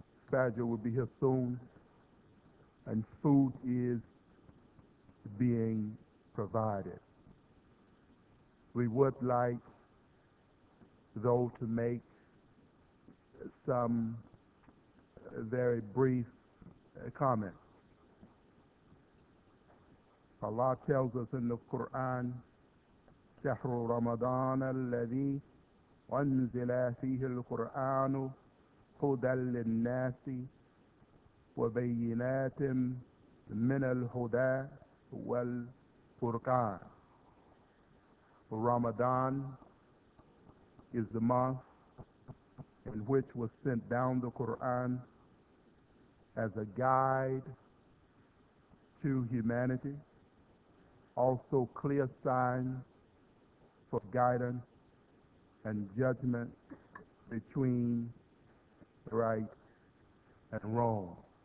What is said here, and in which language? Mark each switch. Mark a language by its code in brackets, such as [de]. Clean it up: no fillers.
[en] Fajr will be here soon. And food is being provided. We would like, though, to make some very brief comments. Allah tells us in the Quran, [ar] شهر رمضان الذي أنزل فيه القرآن هدى للناس وبينات من الهدى والفرقان. [en] Ramadan is the month in which was sent down the Quran as a guide to humanity, also clear signs for guidance and judgment between right and wrong.